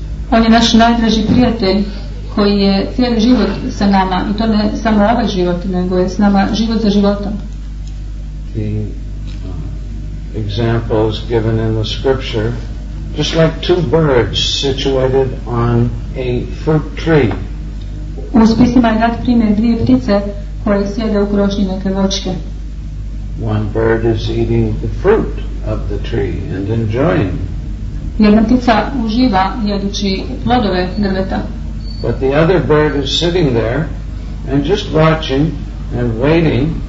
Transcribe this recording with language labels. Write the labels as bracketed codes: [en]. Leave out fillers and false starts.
[hr] On je naš najdraži prijatelj koji je cijeli život sa nama, i to ne samo ovaj život, nego je s nama život za životom. [en] The example is given in the scripture, just like two birds situated on a fruit tree. [hr] U spisima je dat primjer dvije ptice koje sjede u krošnji neke voćke. [en] One bird is eating the fruit of the tree and enjoying. [hr] Jedna ptica uživa jedući plodove drveta. [en] But the other bird is sitting there and just watching and waiting.